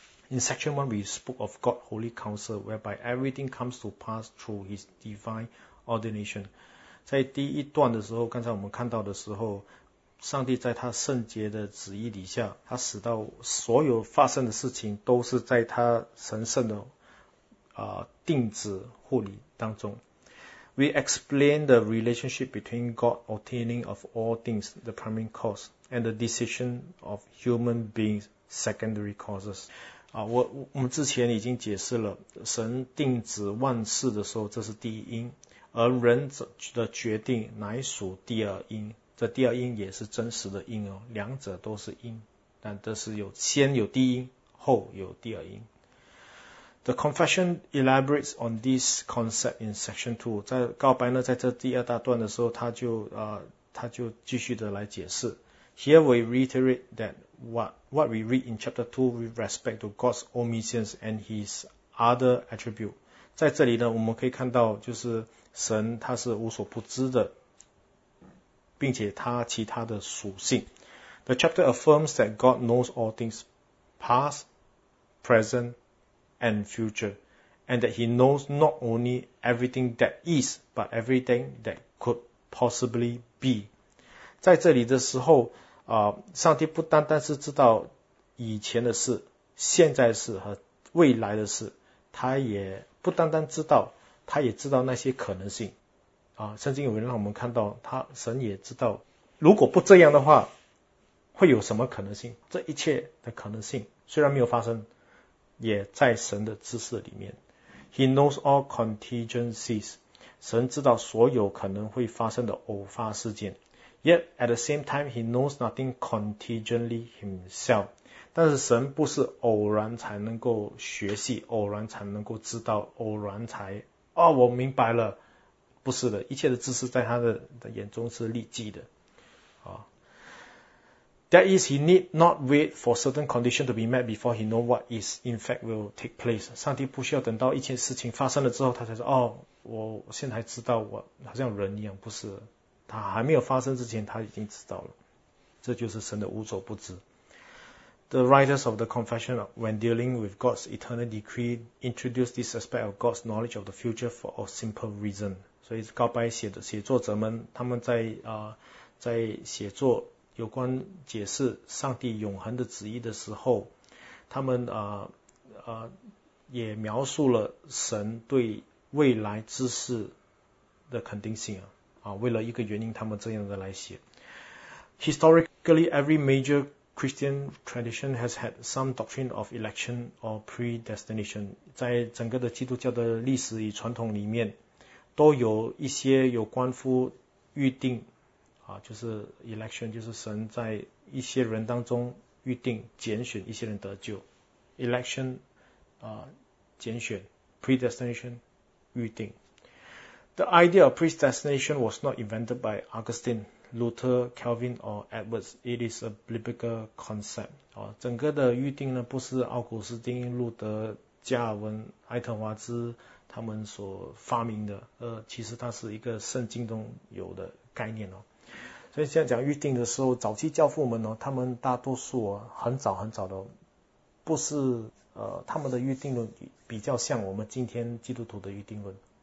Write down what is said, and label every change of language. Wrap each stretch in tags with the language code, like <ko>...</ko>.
<en>In section 1 we spoke of God's holy counsel whereby everything comes to pass through his divine ordination.</en> <zh>在第一段的时候，刚才我们看到的时候，上帝在他圣洁的旨意底下，他使到所有发生的事情都是在他神圣的定旨护理当中。</zh> <en>We explain the relationship between God ordaining of all things, the primary cause, and the decision of human beings, secondary causes.</en> <zh>我们之前已经解释了，神定旨万事的时候，这是第一因，而人的决定乃属第二因，这第二因也是真实的因哦，两者都是因，但这是有先有第一因，后有第二因。</zh> <en>The confession elaborates on this concept in section 2.</en> <zh>在告白呢，在这第二大段的时候，他就继续的来解释。</zh> <en>Here we reiterate that what we read in chapter 2 with respect to God's omniscience and his other attribute.</en> <zh>在这里呢，我们可以看到就是神他是无所不知的，并且他其他的属性。</zh> <en>The chapter affirms that God knows all things past, present,and future, and that he knows not only everything that is, but everything that could possibly be.</en> <zh>在这里的时候，上帝不单单是知道以前的事、现在的事和未来的事，他也不单单知道，他也知道那些可能性。圣经有人让我们看到，他神也知道，如果不这样的话，会有什么可能性？这一切的可能性虽然没有发生，也在神的知识里面。</zh> <en>He knows all contingencies.</en> <zh>神知道所有可能会发生的偶发事件。</zh> <en>Yet at the same time, he knows nothing contingently himself.</en> <zh>但是神不是偶然才能够学习，偶然才能够知道，偶然才，哦，我明白了。不是的，一切的知识在他 的眼中是立即的。</zh> <en>哦，That is, he need not wait for certain condition to be met before he know what is in fact will take place.</en> <zh>上帝不需要等到一件事情发生了之后，他才说，哦，我现在知道，我好像人一样，不是。他还没有发生之前，他已经知道了。这就是神的无所不知。</zh> <en>The writers of the confession, when dealing with God's eternal decree, introduce this aspect of God's knowledge of the future for a simple reason.</en> <zh>所以告白写的写作者们，他们在在写作有关解释上帝永恒的旨意的时候，他们也描述了神对未来知识的肯定性啊。为了一个原因，他们这样的来写。</zh> <en>Historically, every major Christian tradition has had some doctrine of election or predestination.</en> <zh>在整个的基督教的历史与传统里面，都有一些有关乎预定，就是 election, 就是神在一些人当中预定拣选一些人得救。 Election, 拣选 ,predestination, 预定。</zh> <en>The idea of predestination was not invented by Augustine, Luther, Calvin, or Edwards. It is a biblical concept.</en> <zh>整个的预定呢，不是奥古斯丁、路德、加尔文、爱特华兹他们所发明的，其实它是一个圣经中有的概念哦。所以现在讲预定的时候，早期教父们呢，他们大多数很早很早的，不是他们的预定论比较像我们今天基督徒的预定论。</zh>